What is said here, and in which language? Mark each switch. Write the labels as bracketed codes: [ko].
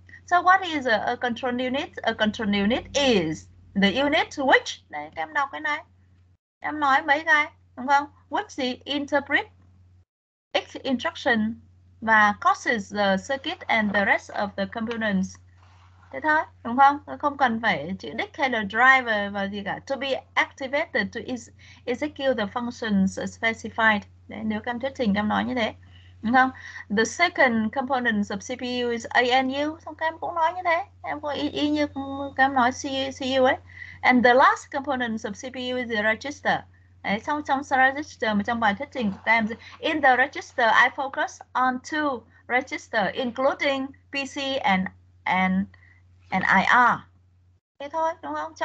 [en] So what is a control unit? A control unit is the unit which, [vi] đấy, các em đọc cái này. Em nói mấy cái, đúng không? [en] Which the interpret each instruction [vi] và [en] causes the circuit and the rest of the components. [vi] Thế thôi, đúng không? Không cần phải chữ đích hay là driver và gì cả. [en] To be activated to execute the functions specified. [vi] Đấy, nếu các em thuyết trình, các em nói như thế. Đúng không? [en] The second component of CPU is ANU. [vi] Xong các em cũng nói như thế. Em có ý như các em nói CU ấy. [en] And the last component of CPU is the register. [vi] Đấy, trong register, trong bài thuyết trình của em, [en] in the register, I focus on two register, including PC and IR. [vi] Thế thôi, đúng không?